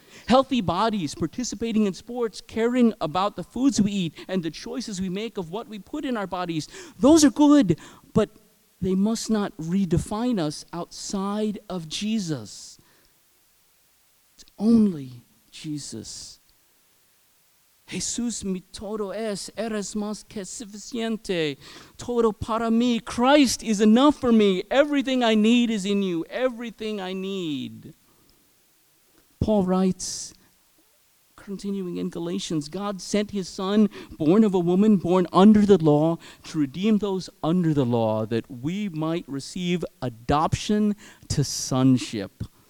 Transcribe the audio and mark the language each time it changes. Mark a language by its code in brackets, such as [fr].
[en] Healthy bodies, participating in sports, caring about the foods we eat and the choices we make of what we put in our bodies, those are good, but they must not redefine us outside of Jesus. It's only Jesus. [es] Jesus mi todo es, eres más que suficiente, todo para mí. [en] Christ is enough for me. Everything I need is in you. Everything I need. Paul writes, continuing in Galatians, God sent his son, born of a woman, born under the law, to redeem those under the law, that we might receive adoption to sonship.